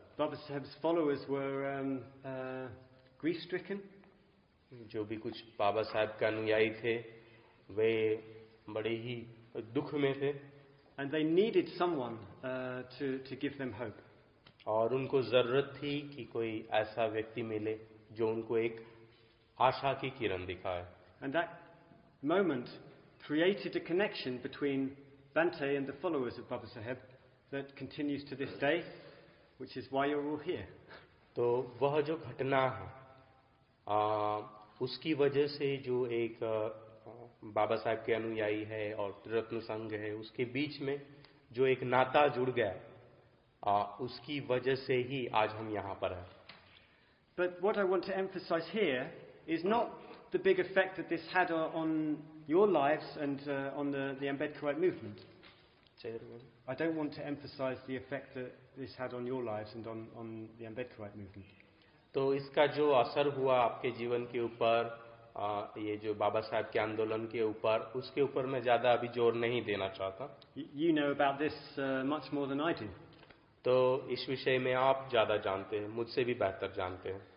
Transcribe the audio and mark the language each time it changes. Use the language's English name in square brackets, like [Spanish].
[English] Baba Saheb's followers were grief-stricken. [Hindi] जो भी कुछ बाबा साहब के अनुयायी थे वे बड़े ही दुख में थे. [English] And they needed someone to give them hope. [Hindi] और उनको जरूरत थी कि कोई ऐसा व्यक्ति मिले जो उनको एक आशा की किरण दिखाए. [English] And that moment created a connection between Bante and the followers of Baba Saheb that continues to this day, which is why you're all here. [Hindi] तो वह जो घटना है उसकी वजह से जो एक बाबा साहब के अनुयायी है और त्रिरत्न संघ है उसके बीच में जो एक नाता जुड़ गया उसकी वजह से ही आज हम यहाँ पर हैं. [English] But what I want to emphasize here is not the big effect that this had on your lives and on the Ambedkarite movement. I don't want to emphasize the effect that this had on your lives and on the Ambedkarite movement. [Hindi] तो इसका जो असर हुआ आपके जीवन के ऊपर ये जो बाबा साहब के आंदोलन के ऊपर उसके ऊपर मैं ज्यादा अभी जोर नहीं देना चाहता. [English] You know about this much more than I do. [Hindi] तो इस विषय में आप ज्यादा जानते हैं मुझसे भी बेहतर जानते हैं.